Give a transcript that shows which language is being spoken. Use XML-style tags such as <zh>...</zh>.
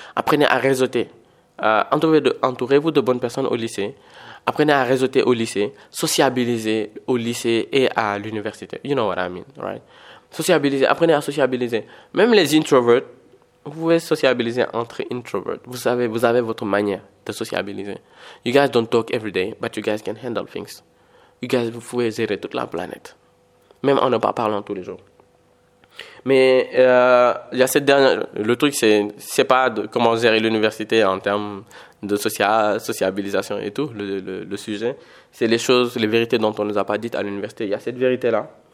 <fr>Apprenez à réseauter. Entourez-vous de bonnes personnes au lycée. Apprenez à réseauter au lycée. Sociabilisez au lycée et à l'université.</fr> <en>You know what I mean, right?</en> <fr>Sociabilisez, apprenez à sociabiliser. Même les introverts, vous pouvez sociabiliser entre introverts. Vous avez votre manière de sociabiliser.</fr> <en>You guys don't talk every day, but you guys can handle things. You guys,</en> <fr>vous pouvez gérer toute la planète. Même en ne pas parlant tous les jours. Mais il y a cette dernière, le truc, c'est pas de comment gérer l'université en termes de sociabilisation et tout, le sujet. C'est les choses, les vérités dont on ne nous a pas dites à l'université. Il y a cette vérité-là.</fr>